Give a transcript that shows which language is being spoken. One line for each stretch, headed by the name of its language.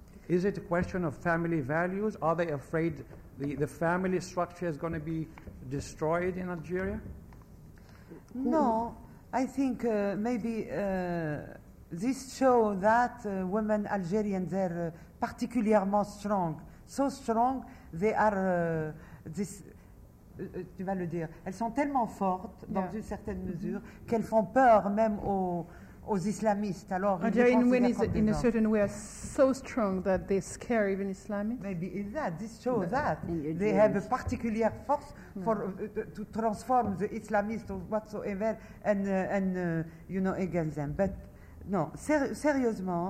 English: Is it a question of family values? Are they afraid the family structure is going to be destroyed in Algeria? No, I think maybe this show that women Algerians are particulièrement strong, so strong they are this.
French: Tu vas le dire. Elles sont tellement fortes dans une certaine mesure qu'elles font peur même aux islamistes. Alors,
English: Algerian women is in a certain way are so strong that they scare even Islamists. Maybe in that this shows that they have a particular force for to transform the Islamists or whatsoever and you know against them. But no, sérieusement.